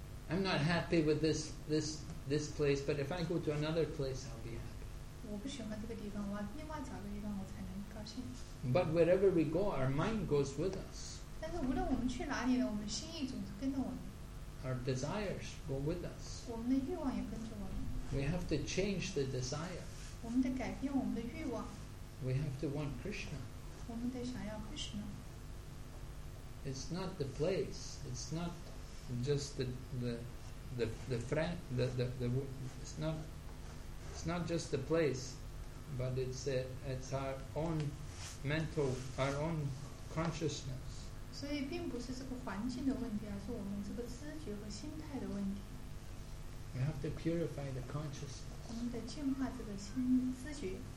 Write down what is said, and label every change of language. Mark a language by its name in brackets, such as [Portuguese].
[English] I'm not happy with this place, but if I go to another place, I'll be happy. [Chinese] 我不喜欢这个地方，我另外找个地方我才能高兴。 [English] But wherever we go, our mind goes with us. [Chinese] 但是无论我们去哪里呢，我们心意总是跟着我们。 [English] Our desires go with us. [Chinese] 我们的欲望也跟着我们。 [English] We have to change the desire. [Chinese] 我们得改变我们的欲望。 [English] We have to want Krishna. [Chinese] 我们得想要 Krishna. [English] It's not the place. It's not just the It's not just the place, but it's our own mental, our own consciousness. [Chinese] 所以并不是这个环境的问题，而是我们这个知觉和心态的问题。 [English] We have to purify the consciousness. [Chinese] 我们得净化这个心知觉。